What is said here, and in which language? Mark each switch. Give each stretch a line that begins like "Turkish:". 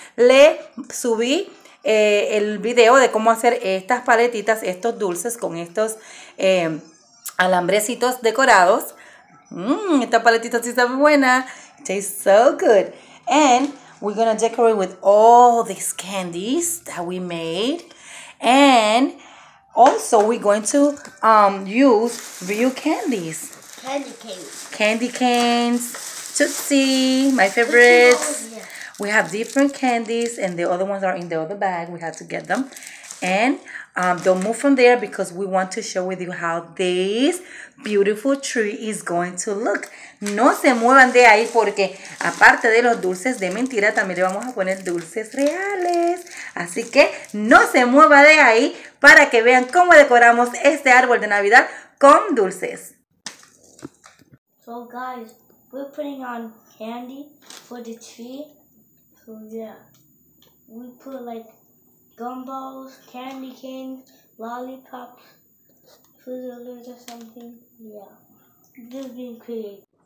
Spanish: Le subí el video de cómo hacer estas paletitas, estos dulces con estos alambrecitos decorados. Esta paletita sí sabe buena.
English: Tastes so good. And we're gonna decorate with all these candies that we made. And also we're going to use real candies. Candy canes. Candy canes. Tootsie, my favorite. We have different candies, and the other ones are in the other bag. We have to get them. And don't move from there because we want to show with you how this beautiful tree is going to look.
Spanish: No se muevan de ahí porque aparte de los dulces de mentira, también le vamos a poner dulces reales. Así que no se mueva de ahí para que vean cómo decoramos este árbol de Navidad con dulces.
English: So guys, we're putting on candy for the tree. So yeah, we put like gumballs, candy canes, lollipops, fizzlers or something. Yeah, just being creative.